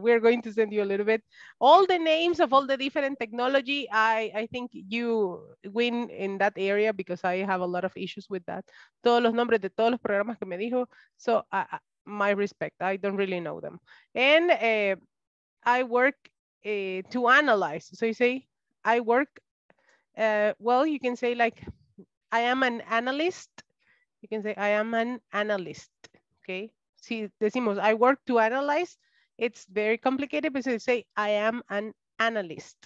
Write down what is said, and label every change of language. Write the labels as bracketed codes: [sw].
[en] We're going to send you a little bit. All the names of all the different technology, I think you win in that area because I have a lot of issues with that. [es] Todos los nombres de todos los programas que me dijo. [en] So my respect, I don't really know them. And I work to analyze. So you say, I work, well, you can say like, I am an analyst. You can say, I am an analyst. Okay, [es] si decimos, [en] I work to analyze, it's very complicated, but you say, I am an analyst.